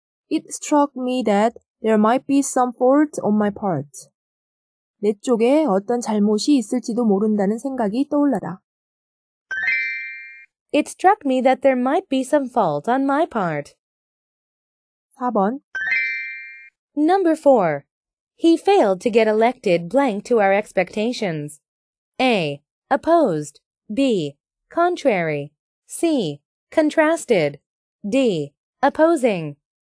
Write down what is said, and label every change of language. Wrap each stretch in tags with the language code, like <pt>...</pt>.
<en>It struck me that there might be some fault on my part.</en> <ko>내 쪽에 어떤 잘못이 있을지도 모른다는 생각이 떠올라다.</ko> <en>It struck me that there might be some fault on my part.</en> <ko>4번</ko> <en>Number 4. He failed to get elected blank to our expectations. A. Opposed. B. Contrary. C. Contrasted. D. Opposing.</en>